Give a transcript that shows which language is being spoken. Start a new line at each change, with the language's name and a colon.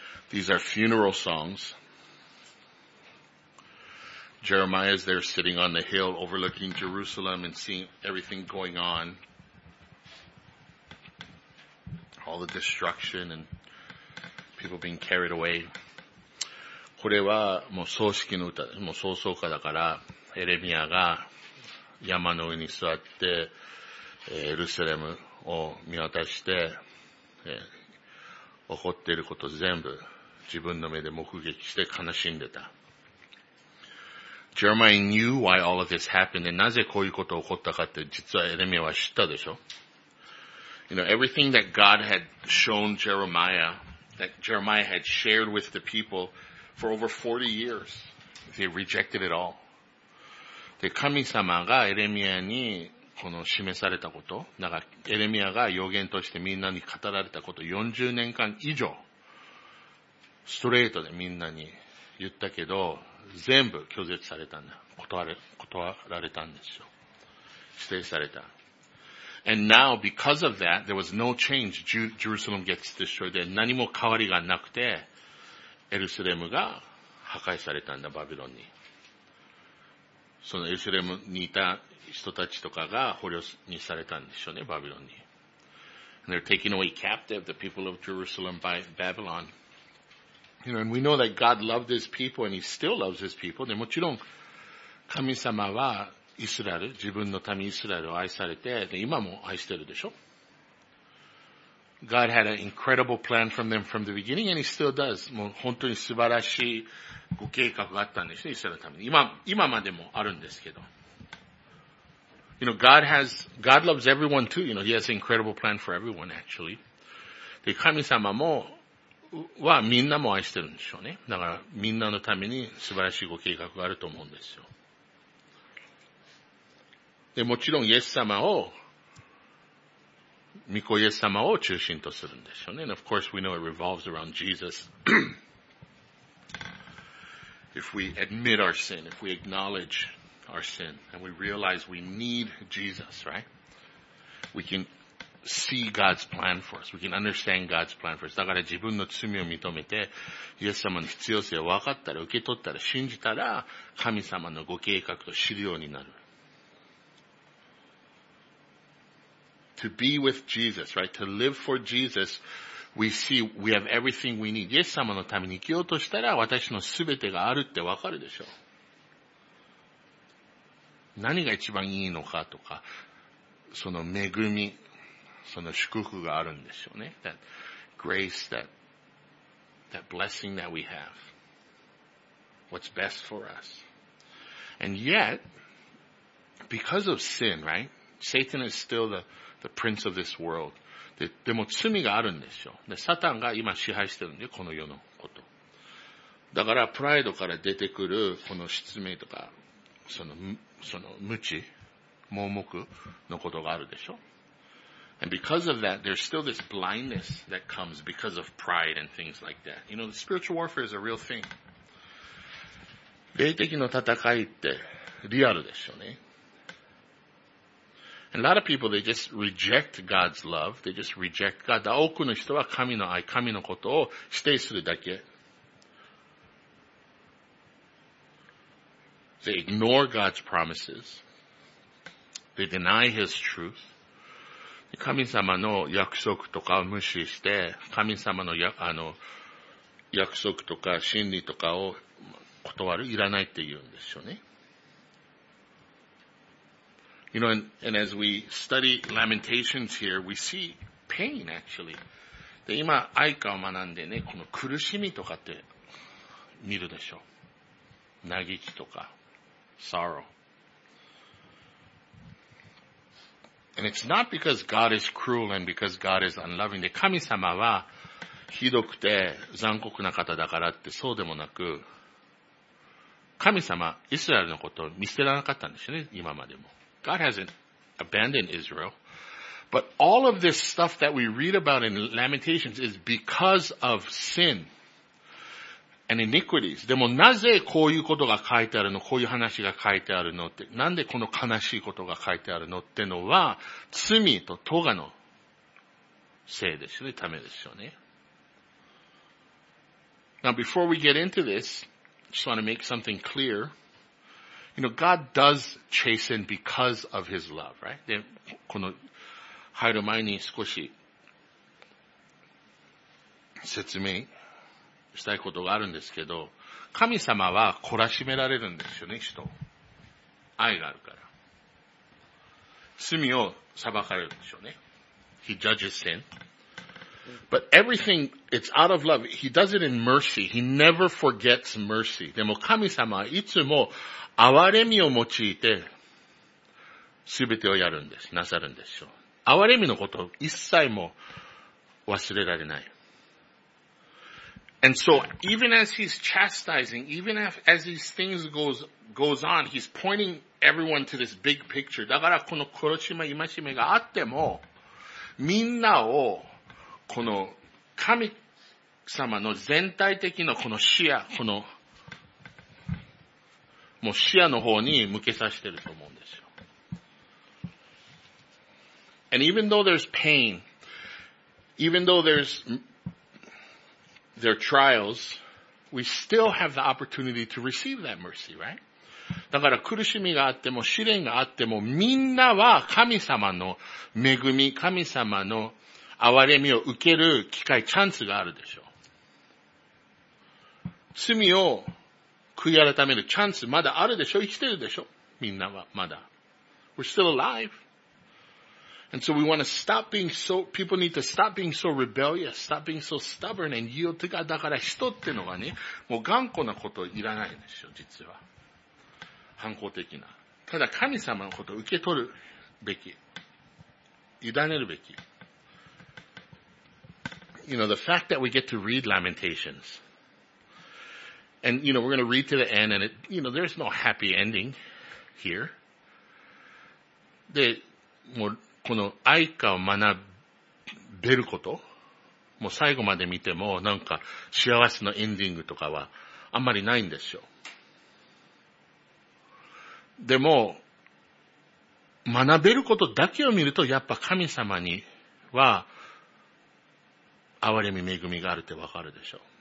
English: These are funeral songs. Jeremiah is there sitting on the hill overlooking Jerusalem and seeing everything going on. All the destruction and people being carried away.
Japanese: これはもう葬式の歌、もう葬送歌だから、エレミアが山の上に座って、エルサレムを見渡して、起こっていること全部、自分の目で目撃して悲しんでた。
English: Jeremiah knew why all of this happened, and
Japanese: なぜこういうことが起こったかって実はエレミアは知ったでしょ。
English: You know, everything that God had shown Jeremiah, that Jeremiah had shared with the people for over 40 years, they rejected it all.
Japanese: で、神様がエレミアにこの示されたこと、だからエレミアが預言としてみんなに語られたこと、40年間以上、ストレートでみんなに言ったけど、全部拒絶されたんだ。断られたんですよ。否定された。
English: And now, because of that, there was no change. Jerusalem gets destroyed.
Japanese: 何も変わりがなくて、エルサレムが破壊されたんだ、バビロンに。そのエルサレムにいた人たちとかが捕虜にされたんでしょうね、バビロンに。
English: And they're taking away captive the people of Jerusalem by Babylon. You know, and we know that God loved His people and He still loves His people.
Japanese: もちろん、神様はイスラエル、自分の民イスラエルを愛されて、今も愛してるでしょ。
English: God had an incredible plan from them from the beginning and He still does.
Japanese: もう本当に素晴らしいご計画があったんですね、イスラエルのために。今までもあるんですけど。
English: You know, God loves everyone too. You know, He has an incredible plan for everyone actually.
Japanese: で、神様も、はみんなも愛してるんでしょうね。だからみんなのために素晴らしいご計画があると思うんですよ。でもちろんイエス様を、御子イエス様を中心とするんですよね。
English: And of course we know it revolves around Jesus. If we admit our sin, if we acknowledge our sin, and we realize we need Jesus, right? We canSee God's plan for us. We can understand God's plan for us.
Japanese: だから自分の罪を認めて、イエス様の必要性を分かったら、受け取ったら、信じたら、神様のご計画を知るようになる。
English: To be with Jesus, right? To live for Jesus, we see we have everything we need.
Japanese: イエス様のために生きようとしたら、私の全てがあるって分かるでしょう。何が一番いいのかとか、その恵み、その祝福があるんですよね。
English: That grace, that blessing that we have. What's best for us. And yet, because of sin, right? Satan is still the prince of this world.
Japanese: でも罪があるんですよ。で、サタンが今支配してるんで、この世のこと。だから、プライドから出てくるこの失明とか、その無知、盲目のことがあるでしょ。
English: And because of that, there's still this blindness that comes because of pride and things like that. You know, the spiritual warfare is a real thing.
Japanese: 霊的の戦いってリアルでしょうね。
English: And a lot of people, they just reject God's love. They just reject God.
Japanese: 多くの人は神の愛、神のことを否定するだけ。
English: They ignore God's promises. They deny His truth.
Japanese: 神様の約束とかを無視して、神様の約束とか真理とかを断る、いらないって言うんですよね。
English: You know, and as we study Lamentations here, we see pain actually.
Japanese: で、今、愛歌を学んでね、この苦しみとかって見るでしょ。嘆きとか、sorrow.
English: And it's not because God is cruel and because God is unloving.
Japanese: 神様はひどくて残酷な方だからってそうでもなく、神様、イスラエルのことを見捨てられなかったんですよね、今までも。
English: God hasn't abandoned Israel. But all of this stuff that we read about in Lamentations is because of sin and iniquities.
Japanese: でもなぜこういうことが書いてあるの、こういう話が書いてあるのって、なんでこの悲しいことが書いてあるのってのは、罪と咎のせいですよね、ためですよね。
English: Now before we get into this,just want to make something clear. You know, God does chasten because of His love, right?
Japanese: で、この、入る前に少し、説明したいことがあるんですけど、神様は懲らしめられるんですよね、人。愛があるから。罪を裁かれるんですよね。
English: He judges sin. But everything, it's out of love. He does it in mercy. He never forgets mercy.
Japanese: でも神様はいつも憐れみを用いて全てをやるんです。なさるんですよ。憐れみのことを一切も忘れられない。
English: And so, even as he's chastising, even as these things goes on, he's pointing everyone to this big picture.
Japanese: だからこの殺しめ、戒めがあっても、みんなをこの神様の全体的なこの視野、このもう視野の方に向けさせてると思うんですよ。
English: And even though there's pain, even though there are trials, we still have the opportunity to receive that mercy, right?
Japanese: だから苦しみがあっても試練があってもみんなは神様の恵み、神様の憐れみを受ける機会、チャンスがあるでしょう。罪を悔い改めるチャンス、まだあるでしょう。生きてるでしょう。みんなは、まだ。
English: We're still alive. And so we want to stop being so, people need to stop being so rebellious, stop being so stubborn and yield to God.
Japanese: だから人っていうのがね、もう頑固なこといらないんですよ、実は。反抗的な。ただ神様のことを受け取るべき。委ねるべき。
English: You know, the fact that we get to read Lamentations. And, you know, we're going to read to the end and it, you know, there's no happy ending here.
Japanese: で、もう、この愛歌を学べること、もう最後まで見ても、なんか幸せのエンディングとかはあんまりないんですよ。でも、学べることだけを見ると、やっぱ神様には、憐れみ恵みがあるってわかるでしょう。